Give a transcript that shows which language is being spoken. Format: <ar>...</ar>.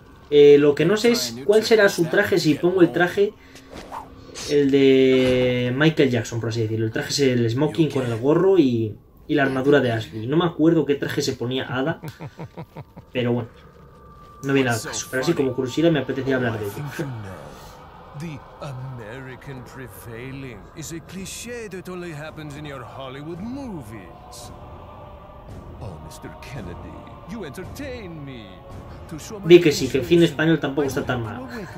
<es>Lo que no sé es cuál será su traje si pongo el traje, el de Michael Jackson, por así decirlo. El traje es el smoking con el gorro y la armadura de Ashley. No me acuerdo qué traje se ponía Ada, pero bueno, no viene al caso. Pero así como curiosidad me apetecía hablar de ello.</es> <en>The American prevailing is a cliché that only happens in your Hollywood movies. Oh, Mr. Kennedy, you entertain me.</en> <es>Di que sí, que el cine español tampoco está tan mal.</es>